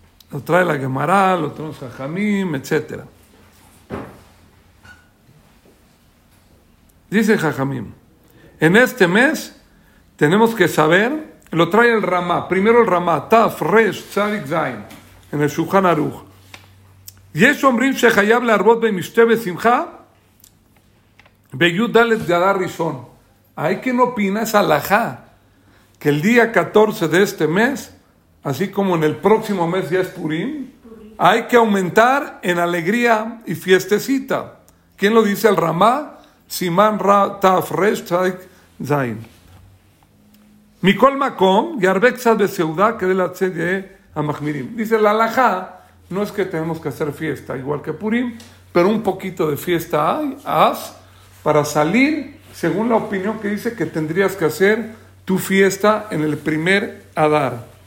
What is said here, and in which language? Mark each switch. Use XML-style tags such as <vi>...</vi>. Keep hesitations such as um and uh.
<es>Lo trae la Gemara, lo trae Jajamim, etc. Dice Jajamim, en este mes tenemos que saber, lo trae el Ramá, primero el Ramá, Taf, Resh, Tzadik Zain, en el Shulchan Aruch.</es> <he>יש אומרים שחייב להרבות במשתה ושמחה בי"ד גדרה ראשון.</he> <es>Hay quien opina, es alajá, que el día 14 de este mes, así como en el próximo mes ya es Purim, hay que aumentar en alegría y fiestecita. ¿Quién lo dice? El Ramá, Simán Ra Taf Resh Tzadik Zain.</es> <he>מכל מקום, ירבה קצת בסעודה כדי לצאת יהיה המחמירים.</he> <es>Dice, la alajá no es que tenemos que hacer fiesta, igual que Purim, pero un poquito de fiesta hay, haz, para salir, según la opinión que dice que tendrías que hacer tu fiesta en el primer Adar.</es>